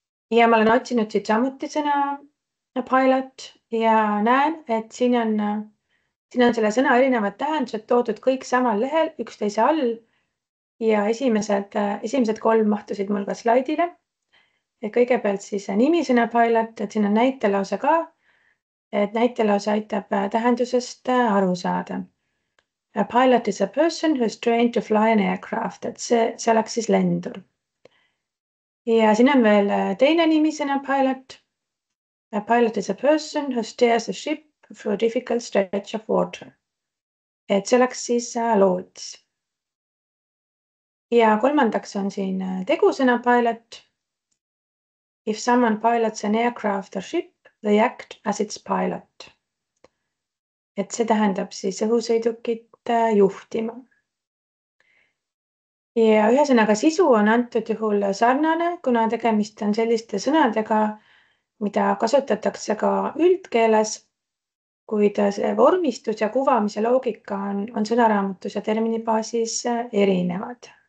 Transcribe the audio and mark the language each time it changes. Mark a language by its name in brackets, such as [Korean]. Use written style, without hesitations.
[Estonian] Ja ma olen otsinud siit samuti sõna pilot ja näen, et siin on selle sõna erinevad tähendused toodud kõik samal lehel, üksteise all. Ja esimesed kolm mahtusid mul ka slaidile. Ja kõigepealt siis nimisõna pilot, et siin on näitelause ka, et näitelause aitab tähendusest aru saada. [English] A pilot is a person who is trained to fly an aircraft. [Estonian] Et see oleks siis lendur. Ja siin on veel teine nimisõna pilot. [English] A pilot is a person who steers a ship through a difficult stretch of water. [Estonian] Et see oleks siis loots. Ja kolmandaks on siin tegusõna pilot. [English] If someone pilots an aircraft or ship, they act as its pilot. [Estonian] Et see tähendab siis õhusõidukit juhtima. Ja ühesõnaga sisu on antud juhul sarnane, kuna tegemist on selliste sõnadega, mida kasutatakse ka üldkeeles, kuid see vormistus ja kuvamise loogika on sõnaraamatus ja termini baasis erinevad.